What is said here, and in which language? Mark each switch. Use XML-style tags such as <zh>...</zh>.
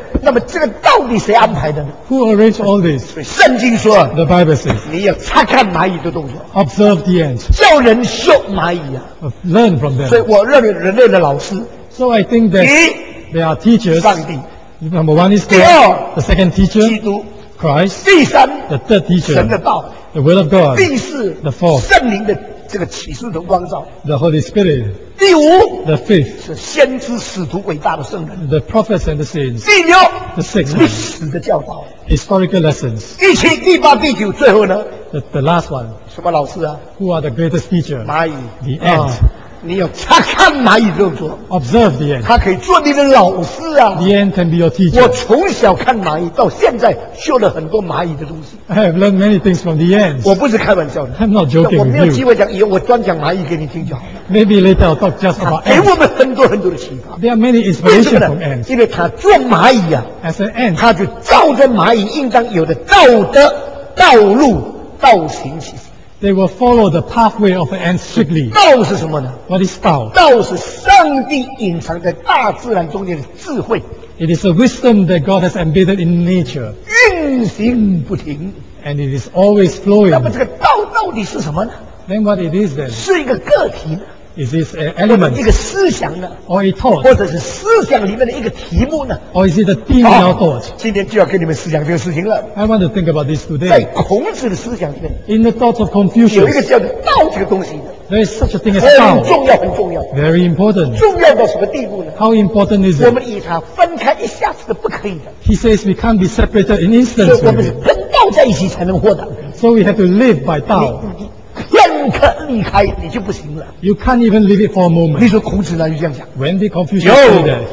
<zh>那么这个到底谁安排的呢?</zh> <en>Who arranged all this?</en> <zh>圣经说,</zh> <en>the Bible says,</en> <zh>你要察看蚂蚁的动作,</zh> <en>observe the ants,</en> <zh>叫人学蚂蚁啊,</zh> <en>learn from them.</en> <zh>所以我认为人类的老师,</zh> <en>so I think that there are teachers,</en> <zh>上帝,</zh> <en>number one is God,</en> <zh>第二,</zh> <en>the second teacher,</en> <zh>基督,</zh> <en>Christ,</en> <zh>第三,</zh> <en>the third teacher,</en> <zh>神的道,</zh> <en>the word of God,</en> <zh>第四,</zh> <en>the fourth,</en> <zh>圣灵的, 这个启示的光照,</zh> <en>the Holy Spirit.</en> <zh>第五,</zh> <en>the fifth,</en> <zh>是先知使徒伟大的圣人,</zh> <en>the prophets and the saints.</en> <zh>第六,</zh> <en>the sixth,</en> <zh>历史的教导,</zh> <en>historical lessons.</en> <zh>第七第八第九, 最后呢,</zh> <en>the last one.</en> <zh>什么老师啊?</zh> <en>Who are the greatest teacher?</en> <zh>蚂蚁,</zh> <en>the ant.</en> <zh>你要察看蚂蚁的动作,</zh> <en>observe the ant.</en> <zh>它可以做你的老师啊,</zh> <en>the ant can be your teacher.</en> <zh>我从小看蚂蚁, 到现在学了很多蚂蚁的东西,</zh> <en>I have learned many things from the ants.</en> <zh>我不是开玩笑的,</zh> <en>I'm not joking with you.</en> <zh>我没有机会讲, 以后我专讲蚂蚁给你听就好了,</zh> <en>maybe later I'll talk just about ants.</en> <zh>给我们很多很多的启发,</zh> <en>there are many inspirations from ants.</en> <zh>因为它做蚂蚁啊,</zh> <en>as an ant,</en> <zh>它就照着蚂蚁应当有的道德道路道行其实,</zh> <en>they will follow the pathway of an ant strictly.</en> <zh>道是什么呢?</zh> <en>What is Tao?</en> <zh>道是上帝隐藏在大自然中间的智慧。</zh> <en>It is a wisdom that God has embedded in nature.</en> <zh>运行不停,</zh> <en>and it is always flowing.</en> <zh>那么这个道到底是什么呢?</zh> <en>Then what it is then?</en> <zh>是一个个体,</zh> <en>is this an element?</en> <zh>或者一个思想呢?</zh> <en>Or a thought?</en> <zh>或者是思想里面的一个题目呢?</zh> <en>Or is it a theme in your thought?</en> <zh>今天就要跟你们思想这个事情了,</zh> <en>I want to think about this today.</en> <zh>在孔子的思想里面,</zh> <en>in the thoughts of Confucius,</en> <zh>有一个叫道这个东西,</zh> <en>there is such a thing as Tao.</en> <zh>很重要, 很重要,</zh> <en>very important.</en> <zh>重要到什么地步呢?</zh> <en>How important is it?</en> <zh>我们与它分开一下子都不可以的,</zh> <en>he says we can't be separated in instance.</en> <zh>所以我们是跟道在一起才能获得,</zh> <en>so we have to live by Tao.</en> <zh>片刻离开你就不行了,</zh> <en>you can't even leave it for a moment.</en> <zh>你说孔子呢就这样讲,</zh> <en>when did Confucius say that?</en>